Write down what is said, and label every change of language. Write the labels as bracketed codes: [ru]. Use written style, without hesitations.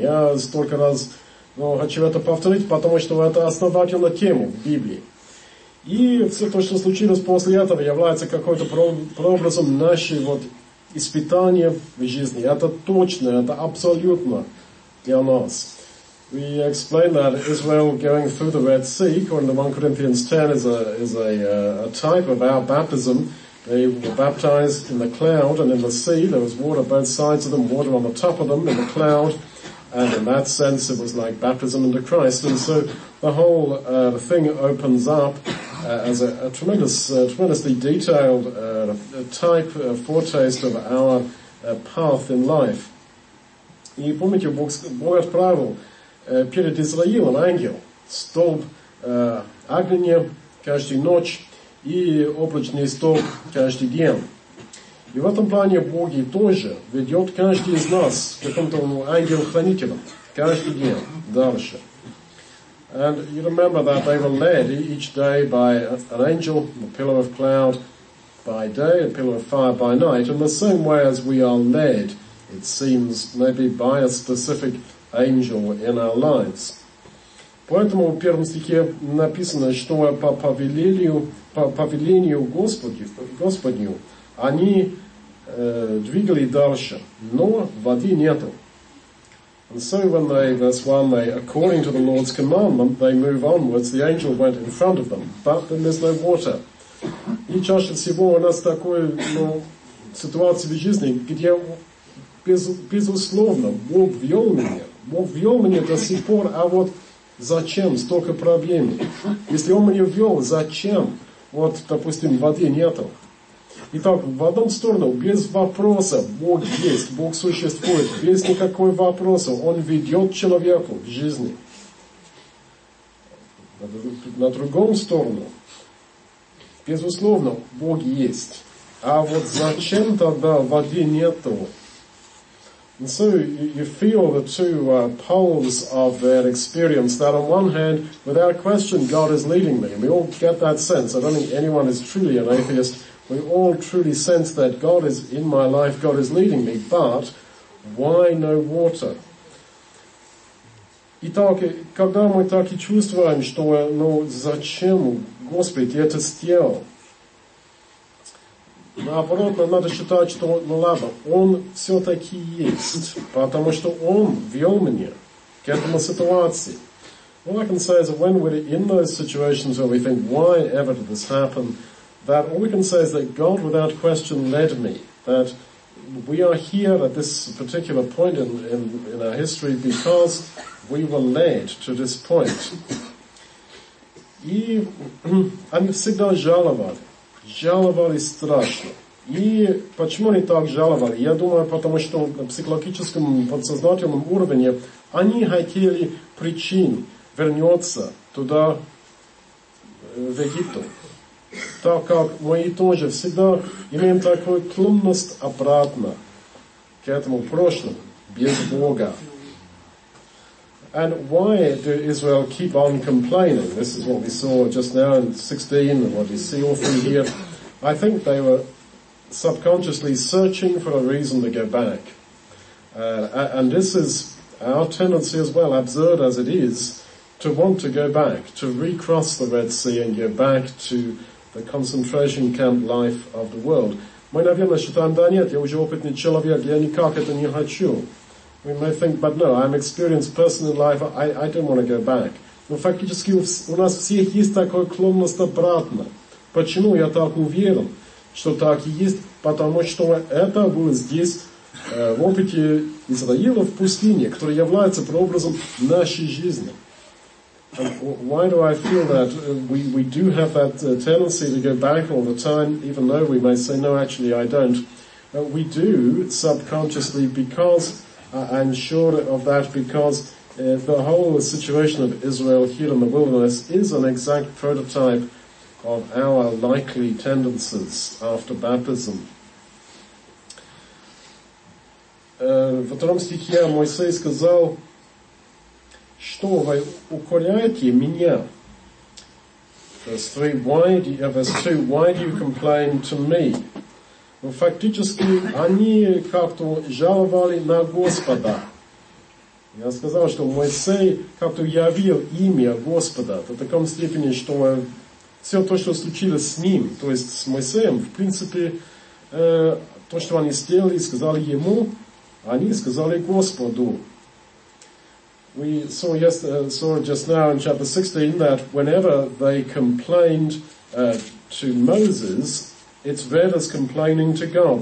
[ru] Я столько раз хочу это повторить, потому что это основательная тема в Библии. И все то, что случилось после этого, является какой-то прообразом нашей испытания в жизни. Это точно, это абсолютно для нас. [en] We explain that Israel going through the Red Sea, according to 1 Corinthians 10, is a type of our baptism. They were baptized in the cloud and in the sea. There was water both sides of them, water on the top of them in the cloud. And in that sense, it was like baptism into Christ. And so the whole thing opens up as a tremendous, tremendously detailed type, a foretaste of our path in life. [ru] И помните, Бог отправил перед Израилем ангел, столб огня каждую ночь и облачный столб каждый день. И в этом плане Бог тоже ведет каждый из нас к какому-то ангел-хранителю каждый день дальше. [en] And you remember that they were led each day by an angel, a pillar of cloud by day, a pillar of fire by night, in the same way as we are led, it seems, maybe by a specific angel in our lives. [ru] Поэтому в первом стихе написано, что по повелению Господню они двигали дальше, но воды нету. [en] And so when they, verse 1, they, according to the Lord's commandment, they move onwards, the angel went in front of them, but then there's no water. [ru] И чаще всего у нас такой, ситуация в жизни, где безусловно, Бог вел меня до сих пор, а зачем столько проблем? Если Он меня вел, зачем? Допустим, воды нету. Итак, в одну сторону, без вопроса, Бог есть, Бог существует, без никакого вопроса, Он ведет человека в жизни. На другом сторону, безусловно, Бог есть. А зачем тогда воды нету? [en] And so you feel the two poles of that experience, that on one hand, without question, God is leading me. And we all get that sense. I don't think anyone is truly an atheist. We all truly sense that God is in my life, God is leading me, but why no water? [ru] Итак, когда мы так и чувствуем, что, зачем, Господи, это сделал? Наоборот, нам надо считать, что, ладно, Он все-таки есть, потому что Он вел меня к этому ситуации. [en] All I can say is that when we're in those situations where we think, why ever did this happen, that all we can say is that God without question led me, that we are here at this particular point in our history because we were led to this point. [ru] И они всегда жаловали. Жаловались страшно. И почему они так жаловали? Я думаю, потому что на психологическом подсознательном уровне они хотели причин вернуться туда, в Египту. Так как мы тоже всегда имеем такую склонность обратно к этому прошлому, без Бога. [en] And why do Israel keep on complaining? This is what we saw just now in 16, what you see all through here. I think they were subconsciously searching for a reason to go back. And this is our tendency as well, absurd as it is, to want to go back, to recross the Red Sea and go back to the concentration camp life of the world. [ru] Мы, наверное, считаем, да нет, я уже опытный человек, я никак это не хочу. [en] We may think, but no, I'm an experienced person in life, I don't want to go back. [ru] Но фактически у нас всех есть такой склонность обратно. Почему я так уверен, что так и есть? Потому что это было здесь, в опыте Израиля в пустыне, который является прообразом нашей жизни. [en] And why do I feel that we do have that tendency to go back all the time, even though we may say, no, actually, I don't. We do subconsciously because I'm sure of that because the whole situation of Israel here in the wilderness is an exact prototype of our likely tendencies after baptism. [ru] Во втором стихе Моисей сказал, что вы укоряете меня? [en] Verse 3, why do you complain to me? [ru] Ну, фактически, они как-то жаловали на Господа. Я сказал, что Моисей как-то явил имя Господа до такой степени, что все то, что случилось с ним, то есть с Моисеем, в принципе, то, что они сделали, сказали ему, они сказали Господу. [en] We saw just now in chapter 16 that whenever they complained to Moses, it's read as complaining to God.